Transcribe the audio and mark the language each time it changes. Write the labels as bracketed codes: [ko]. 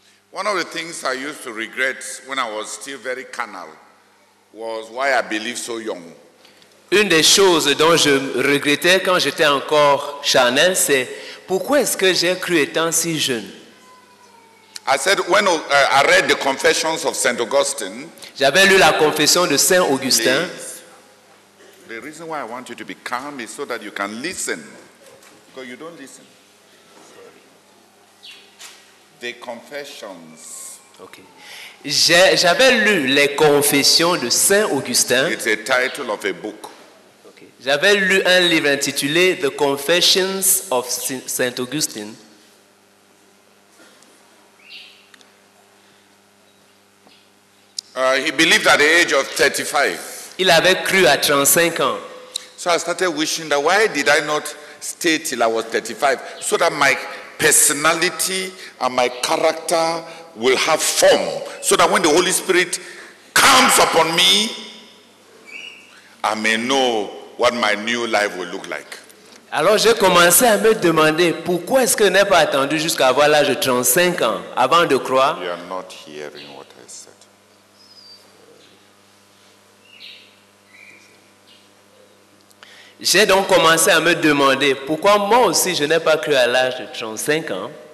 [en] One of the things I used to regret when I was still very carnal was why I believed so young. [fr] Une des choses dont je regrettais quand j'étais encore charnel, c'est pourquoi est-ce que j'ai cru étant si jeune? [en] I said when I read the Confessions of Saint Augustine. [fr] J'avais lu la Confession de Saint Augustin. [en] The reason why I want you to be calm is so that you can listen, because you don't listen. The Confessions. [fr] Okay. J'avais lu les Confessions de Saint Augustin. [en] It's a title of a book. [fr] Okay. J'avais lu un livre intitulé The Confessions of Saint Augustine. [en] He believed at the age of 35. [fr] Il avait cru à 35 ans. [en] So I started wishing that why did I not stay till I was 35 so that my personality and my character will have form so that when the Holy Spirit comes upon me, I may know what my new life will look like. [fr] Alors j'ai commencé à me demander pourquoi est-ce que je n'ai pas attendu jusqu'à avoir l'âge de 35 ans avant de croire. [en] You are not hearing what I said. [fr] J'ai donc commencé à me demander pourquoi moi aussi je n'ai pas cru à l'âge de 35 ans.